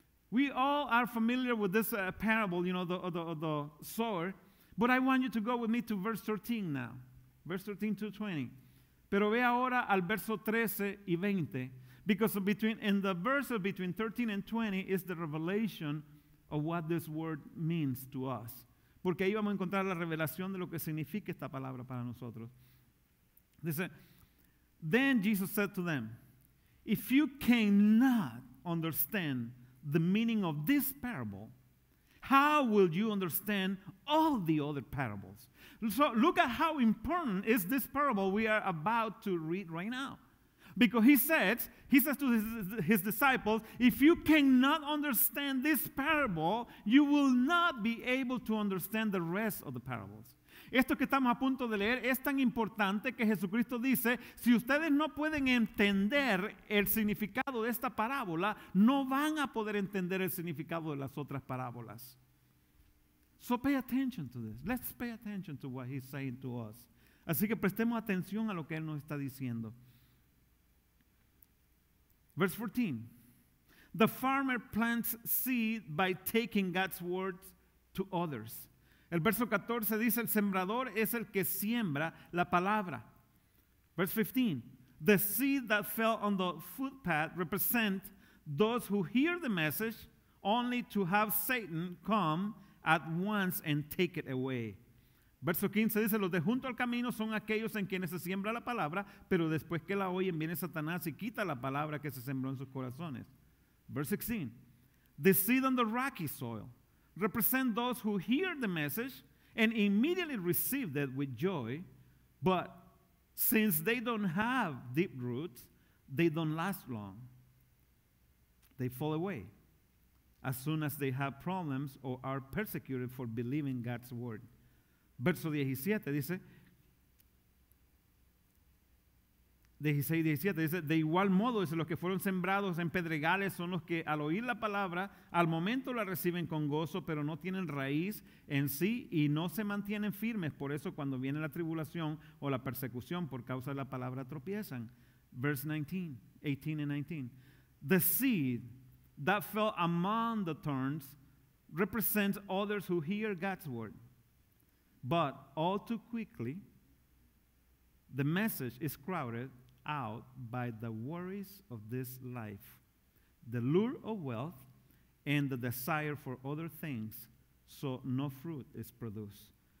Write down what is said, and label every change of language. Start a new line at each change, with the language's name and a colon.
English: We all are familiar with this parable, you know, the sower. But I want you to go with me to verse 13 now. Verse 13 to 20.
Spanish: Pero ve ahora al verso 13 y 20.
English: Because in the verses between 13 and 20 is the revelation of what this word means to us.
Spanish: Porque ahí vamos a encontrar la revelación de lo que significa esta palabra para nosotros.
English: Dice, then Jesus said to them, if you cannot understand the meaning of this parable, how will you understand all the other parables? So look at how important is this parable we are about to read right now. Because he says to his disciples, if you cannot understand this parable, you will not be able to understand the rest of the parables.
Spanish: Esto que estamos a punto de leer es tan importante que Jesucristo dice, si ustedes no pueden entender el significado de esta parábola, no van a poder entender el significado de las otras parábolas.
English: So pay attention to this. Let's pay attention to what he's saying to us.
Spanish: Así que prestemos atención a lo que él nos está diciendo.
English: Verse 14, the farmer plants seed by taking God's word to others.
Spanish: El verso 14 dice, el sembrador es el que siembra la palabra.
English: Verse 15, the seed that fell on the footpath represent those who hear the message only to have Satan come at once and take it away.
Spanish: Verso 15 dice, los de junto al camino son aquellos en quienes se siembra la palabra, pero después que la oyen viene Satanás y quita la palabra que se sembró en sus corazones.
English: Verse 16, the seed on the rocky soil represent those who hear the message and immediately receive it with joy, but since they don't have deep roots, they don't last long. They fall away as soon as they have problems or are persecuted for believing God's word.
Spanish: Verso 17 dice, 16 y 17 dice, de igual modo, dice, los que fueron sembrados en pedregales son los que al oír la palabra, al momento la reciben con gozo, pero no tienen raíz en sí y no se mantienen firmes. Por eso cuando viene la tribulación o la persecución por causa de la palabra tropiezan.
English: Verse 18 and 19. The seed that fell among the thorns represents others who hear God's word. But all too quickly, the message is crowded out by the worries of this life, the lure of wealth, and the desire for other things, so no fruit is produced.